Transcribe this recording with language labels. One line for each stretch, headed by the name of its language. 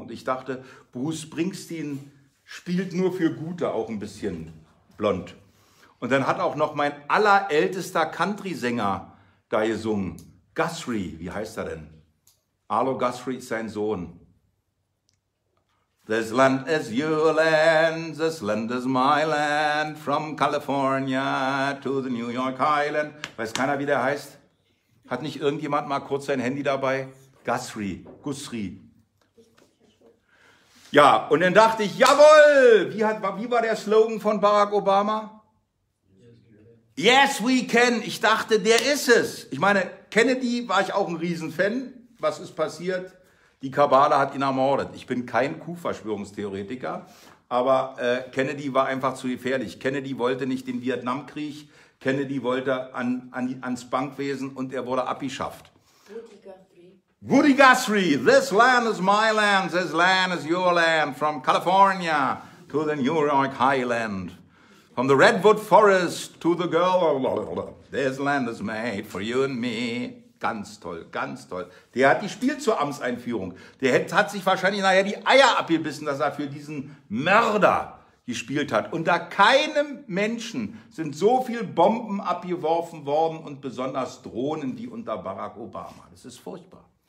German: Und ich dachte, Bruce Springsteen spielt nur für Gute, auch ein bisschen blond. Und dann hat auch noch mein allerältester Country-Sänger da gesungen. Guthrie, wie heißt er denn? Arlo Guthrie ist sein Sohn.
English: This land is your land, this land is my land, from California to the New York Island.
German: Weiß keiner, wie der heißt? Hat nicht irgendjemand mal kurz sein Handy dabei? Guthrie. Ja, und dann dachte ich, jawohl, wie war der Slogan von Barack Obama?
English: Yes, we can.
German: Ich dachte, der ist es. Ich meine, Kennedy war ich auch ein Riesenfan. Was ist passiert? Die Kabbala hat ihn ermordet. Ich bin kein Kuhverschwörungstheoretiker, aber Kennedy war einfach zu gefährlich. Kennedy wollte nicht den Vietnamkrieg. Kennedy wollte ans Bankwesen und er wurde abgeschafft. Woody Guthrie.
English: Woody Guthrie. This land is my land. This land is your land. From California to the New York Highland. From the Redwood Forest to the girl, this land is made for you and me.
German: Ganz toll, ganz toll. Der hat gespielt zur Amtseinführung. Der hat sich wahrscheinlich nachher die Eier abgebissen, dass er für diesen Mörder gespielt hat. Unter keinem Menschen sind so viele Bomben abgeworfen worden und besonders Drohnen, die unter Barack Obama. Das ist furchtbar.